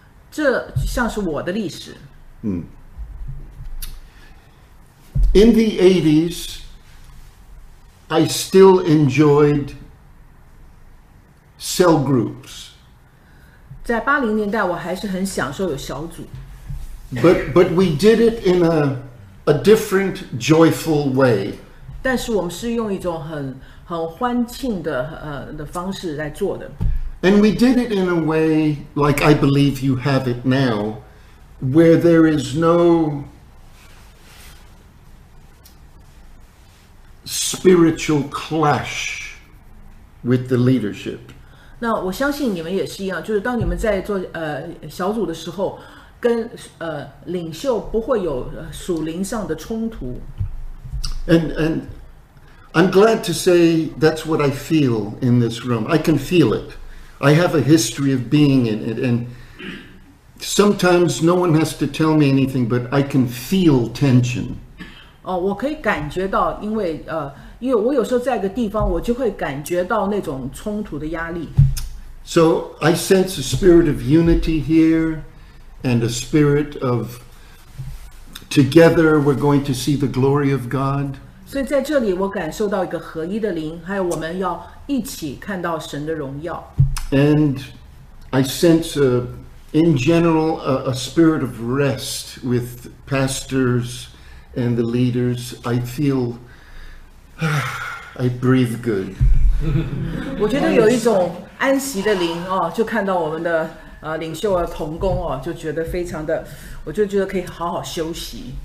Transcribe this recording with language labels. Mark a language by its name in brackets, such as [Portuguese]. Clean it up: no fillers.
[Chinese] 这像是我的历史。 [English] In the 80s. I still enjoyed cell groups. [Chinese] 在八零年代，我还是很享受有小组。 [English] But we did it in a different joyful way. [Chinese] 但是我们是用一种很欢庆的的方式来做的。 [English] And we did it in a way like I believe you have it now, where there is no. Spiritual clash with the leadership. [Chinese] 那我相信你们也是一样，就是当你们在做小组的时候，跟领袖不会有属灵上的冲突。 [English] And I'm glad to say that's what I feel in this room. I can feel it. I have a history of being in it, and sometimes no one has to tell me anything, but I can feel tension. [Chinese] 哦，我可以感觉到，因为我有时候在一个地方，我就会感觉到那种冲突的压力。 [English] So I sense a spirit of unity here, and a spirit of together we're going to see the glory of God. [Chinese] 所以在这里，我感受到一个合一的灵，还有我们要一起看到神的荣耀。 [English] And I sense in general a spirit of rest with pastors. And the leaders, I feel, I breathe good. [Chinese] 我觉得有一种安息的灵哦，就看到我们的领袖啊同工哦，就觉得非常的，我就觉得可以好好休息。